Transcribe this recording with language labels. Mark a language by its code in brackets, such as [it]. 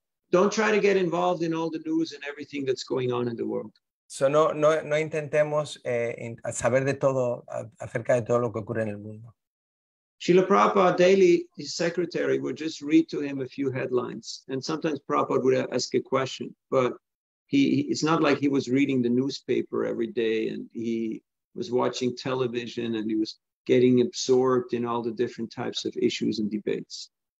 [en] Don't try to get involved in all the news and everything that's going on in the world. [es] So no intentemos saber de todo acerca de todo lo que ocurre en el mundo. [en] Srila Prabhupada daily, his secretary would just read to him a few headlines, and sometimes Prabhupada would ask a question, but it's not like he was reading the newspaper every day and he was watching television and he was getting absorbed in all the different types of issues and debates.